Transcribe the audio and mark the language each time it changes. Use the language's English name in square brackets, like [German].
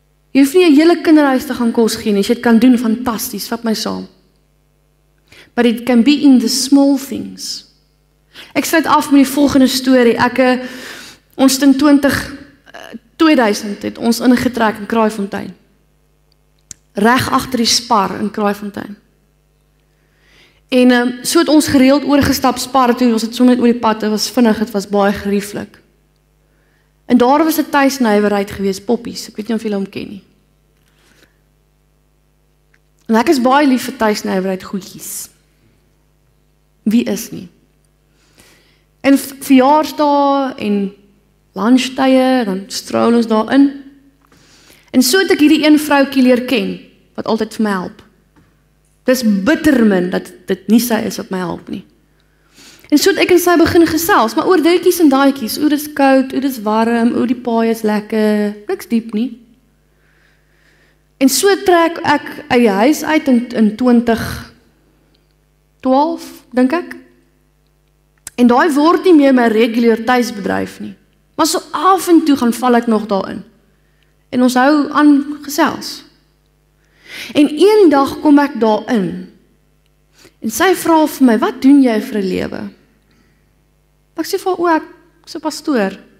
[Afrikaans] Jy hoef nie 'n hele kinderhuis te gaan kos gee nie. As jy dit kan doen, fantasties, vat my saam. [English] But it can be in the small things. [Afrikaans] Ek sluit af met die volgende storie. Ons in 2000 het ons ingetrek in Kraaifontein. Reg agter die Spar in Kraaifontein. En so het ons gereeld oorgestap Spar toe. Ons het sommer net oor die pad, dit was baie gerieflik. En daar was 'n tuisnywerheid gewees, Poppies. Ek weet nie of julle hom ken nie. En ek is baie lief vir tuisnywerheid goedjies. Wie is nie? En verjaarsdae en lunchtye, dan strol ons daarin. En so het ek hierdie een vroukie leer ken wat altyd vir my help. Dis bittermin dat dit nie sy is wat my help nie. En so het ek en sy begin gesels, maar oor dingetjies en daaitjies, oor dis koud, oor dis warm, oor die paai is lekker, niks diep nie. En so trek ek uit die huis uit in 2012, dink ek. En daai word nie meer my regulier tuisbedryf nie. Maar so af en toe gaan val ek nog daarin. En ons hou aan gesels. En een dag kom ek daarin. En sy vra vir my, wat doen jy vir 'n lewe? Ek sê vir haar, ek is 'n pastoor.